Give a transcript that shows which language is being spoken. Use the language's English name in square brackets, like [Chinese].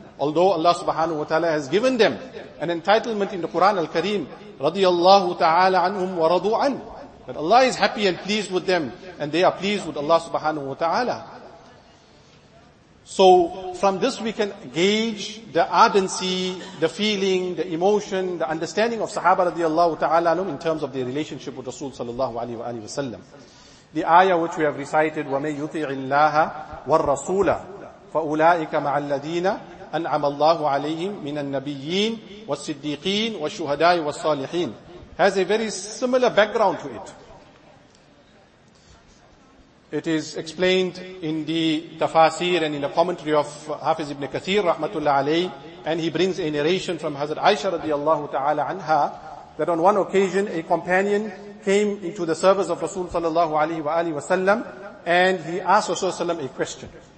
[English] Although Allah subhanahu wa ta'ala has given them an entitlement in the Quran al-Kareem, radiallahu ta'ala anhum wa radu an, that Allah is happy and pleased with them, and they are pleased with Allah subhanahu wa ta'ala. So from this we can gauge the ardency, the feeling, the emotion, the understanding of Sahaba radiallahu ta'ala anhum in terms of their relationship with Rasul sallallahu alayhi wa sallam. The ayah which we have recited, [Arabic] وَمَنْ يُطِعِ اللَّهَ وَالرَّسُولَ فَأُولَٰئِكَ مَعَ الَّذِينَ أَنْعَمَ اللَّهُ عَلَيْهِمْ مِنَ النَّبِيِّينَ وَالصِّدِّيقِينَ وَالشُّهَدَاءِ وَالصَّالِحِينَ [English] has a very similar background to it. It is explained in the tafasir and in the commentary of Hafiz ibn Kathir, rahmatullah alayhi, and he brings a narration from Hazrat Aisha radiallahu ta'ala anha, that on one occasion a companion came into the service of Rasul sallallahu alayhi wa alihi wasallam, and he asked Rasul sallam a question.